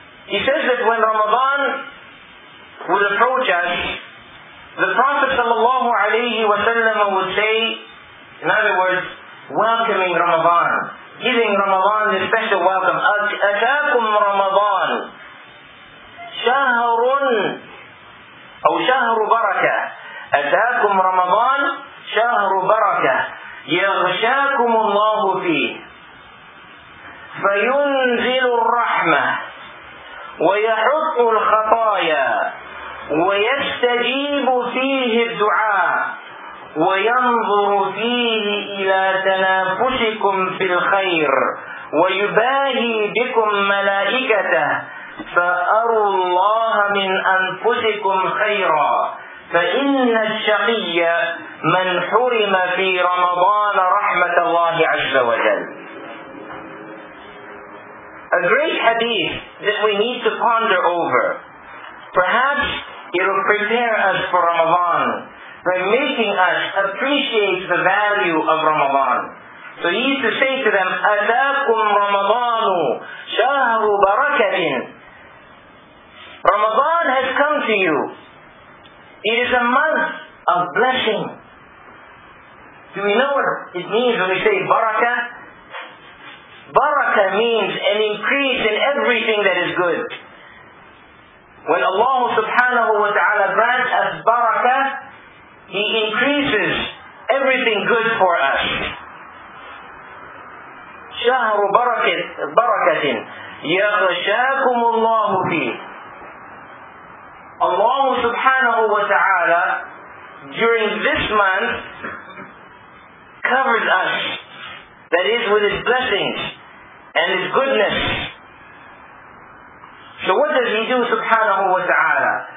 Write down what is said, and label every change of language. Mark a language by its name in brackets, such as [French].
[English] He says that when Ramadan would approach us, the Prophet sallallahu alayhi wa sallam would say, in other words, welcoming Ramadan, giving Ramadan the special welcome. [Arabic] أتاكم رمضان شهر أو شهر بركة أتاكم رمضان شهر بركة يغشاكم الله فيه فينزل الرحمة ويحط الخطايا ويستجيب فيه الدعاء وينظر فيه إلى تنافسكم في الخير ويباهي بكم ملائكته فأروا الله من أنفسكم خيرا فإن الشقي من حرم في رمضان رحمة الله عز وجل. [English] A great hadith that we need to ponder over. Perhaps it will prepare us for Ramadan by making us appreciate the value of Ramadan. So he used to say to them, [Arabic] أَتَاكُمْ رَمَضَانُ شَهْرُ بَرَكَةٍ. [English] Ramadan has come to you. It is a month of blessing. Do we know what it means when we say barakah? Barakah means an increase in everything that is good. When Allah subhanahu wa ta'ala grants us barakah, He increases everything good for us. [Arabic] شهر بركة يغشاكم الله فيه. [English] Allah subhanahu wa ta'ala during this month covers us, that is, with His blessings and His goodness. So what does He do subhanahu wa ta'ala?